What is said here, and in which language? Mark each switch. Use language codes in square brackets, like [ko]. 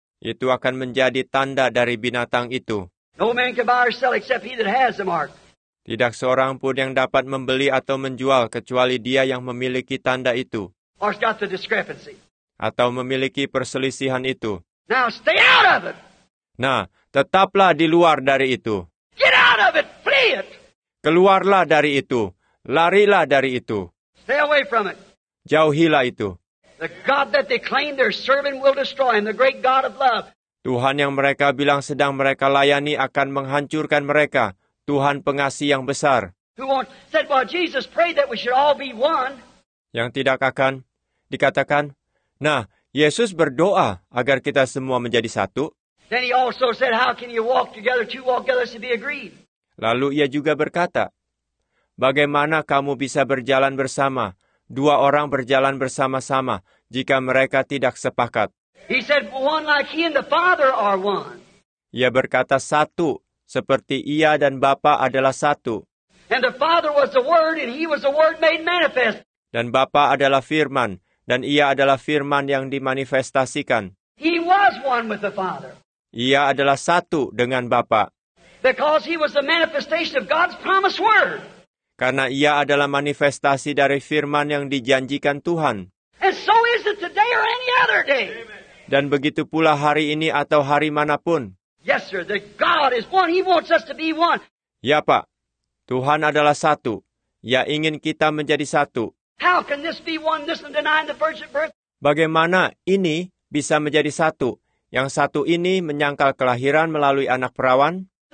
[id] Itu akan menjadi tanda dari binatang itu. [en] No man can buy or sell except he that has the mark. [id] Tidak seorang pun yang dapat membeli atau menjual kecuali dia yang memiliki tanda itu. [en] or has got the discrepancy. [id] Atau memiliki perselisihan itu. [en] Now stay out of it. [id] Nah, tetaplah di luar dari itu. [en] Get out of it, flee it. [id] Keluarlah dari itu, larilah dari itu. [en] Stay away from it. [id] Jauhilah itu. [en] The God that they claim they're serving will destroy him, the great God of love. [id] Tuhan yang mereka bilang sedang mereka layani akan menghancurkan mereka, Tuhan pengasih yang besar. [en] Who won't say, well, Jesus prayed that we should all be one. [id] Yang tidak akan dikatakan, nah, Yesus berdoa agar kita semua menjadi satu. [en] Then he also said, how can you walk together, two walk together to be agreed? [id] Lalu ia juga berkata, bagaimana kamu bisa berjalan bersama, dua orang berjalan bersama-sama, jika mereka tidak sepakat? [en] He said, one like he and the Father are one. [id] Ia berkata, satu, seperti ia dan Bapa adalah satu. [en] And the Father was the Word, and he was the Word made manifest. [id] Dan Bapa adalah Firman, dan ia adalah Firman yang dimanifestasikan. [en] He was one with the Father. [id] Ia adalah satu dengan Bapa. [en] Because he was the manifestation of God's promised word. [id] Karena ia adalah manifestasi dari firman yang dijanjikan Tuhan. [en] And so is it today or any other day. [id] Dan begitu pula hari ini atau hari manapun. [en] Yes, sir. The God is one. He wants us to be one. [id] Ya, Pak. Tuhan adalah satu. Ia ingin kita menjadi satu. [en] How can this be one, this and denying the virgin birth? [id] Bagaimana ini bisa menjadi satu? Yang satu ini menyangkal kelahiran melalui anak perawan.